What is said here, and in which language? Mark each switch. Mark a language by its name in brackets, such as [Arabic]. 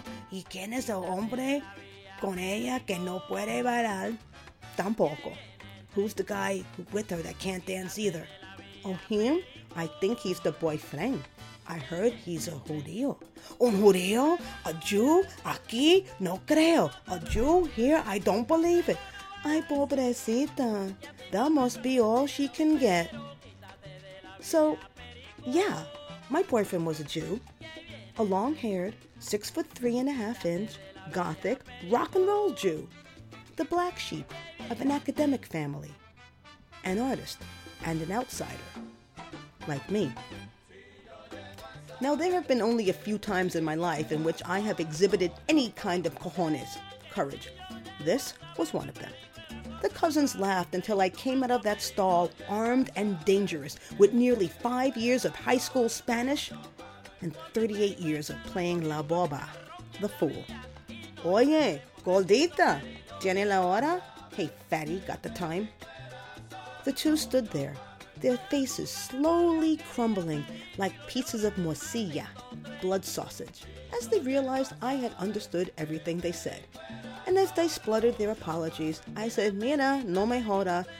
[Spanish] ¿Y quién es el hombre con ella que no puede bailar? Tampoco. [English] Who's the guy with her that can't dance either? Oh, him? I think he's the boyfriend. I heard he's a judío. [Spanish] ¿Un judío? [English] ¿A Jew? [Spanish] Aquí? No creo. [English] ¿A Jew? Here? I don't believe it. [Spanish] Ay, pobrecita. [English] That must be all she can get. So, yeah, my boyfriend was a Jew. A long-haired, 6'3½", gothic, rock and roll Jew. The black sheep of an academic family. An artist and an outsider. Like me. Now, there have been only a few times in my life in which I have exhibited any kind of cojones, courage. This was one of them. The cousins laughed until I came out of that stall armed and dangerous with nearly 5 years of high school Spanish and 38 years of playing la boba, the fool. [Spanish] Oye, gordita, ¿tiene la hora? [English] Hey, fatty, got the time? The two stood there, their faces slowly crumbling like pieces of morcilla, blood sausage, as they realized I had understood everything they said. And as they spluttered their apologies, I said, [Spanish] Mira, no me joda.